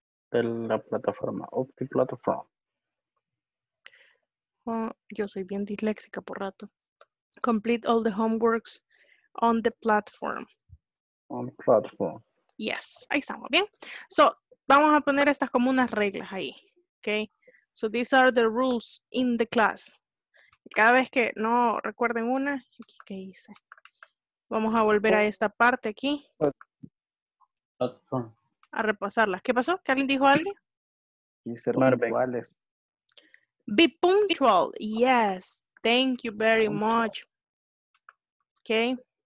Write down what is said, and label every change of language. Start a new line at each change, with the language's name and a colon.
Spanish: De la plataforma,
English: of the platform.
Spanish: Yo soy bien disléxica por rato.
English: Complete all the homeworks on the platform. On the platform.
Spanish: Yes, ahí estamos, bien. So, vamos a poner estas como unas reglas ahí, okay?
English: So, these are the rules in the class.
Spanish: Cada vez que no recuerden una, ¿qué hice? Vamos a volver a esta parte aquí. A repasarlas. ¿Qué pasó? ¿Que alguien dijo algo? Ser puntuales.
English: Be punctual. Yes. Thank you very much. Ok.